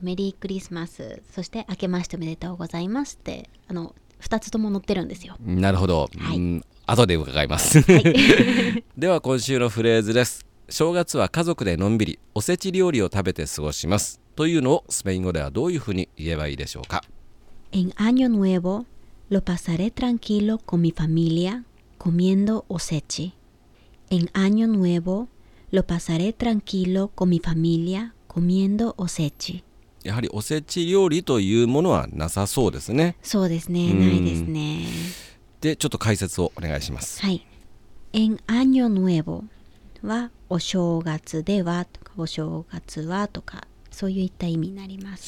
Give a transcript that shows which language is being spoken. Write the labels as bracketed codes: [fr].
[ja] メリークリスマス、そして明けましておめでとうございますって2つとも載ってるんですよ。なるほど、はい、後で伺います。はい、では今週のフレーズです。正月は家族でのんびりおせち料理を食べて過ごしますというのをスペイン語ではどういうふうに言えばいいでしょうか？ [es] En año nuevo lo pasaré tranquilo con mi familia comiendo おせち。 En año nuevo lo pasaré tranquilo con mi familia comiendo おせち。 [ja] やはりおせち料理というものはなさそうですね。そうですね、ないですね。でちょっと解説をお願いします。はい、 [es] En año nuevo [ja] はお正月ではとか、お正月はとか、そういった意味になります。